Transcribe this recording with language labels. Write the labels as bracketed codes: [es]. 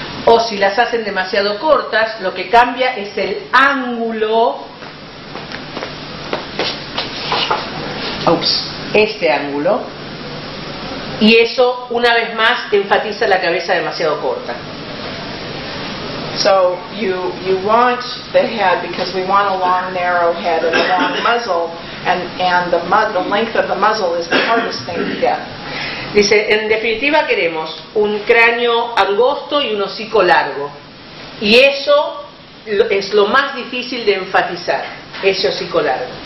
[es] O si las hacen demasiado cortas, lo que cambia es el ángulo. Oops, este ángulo. Y eso una vez más enfatiza la cabeza demasiado corta. [en] So you want the head, because we want a long narrow head and a long muzzle, and the length of the muzzle is the hardest thing to get. [es] Dice, en definitiva queremos un cráneo angosto y un hocico largo, y eso es lo más difícil de enfatizar, ese hocico largo.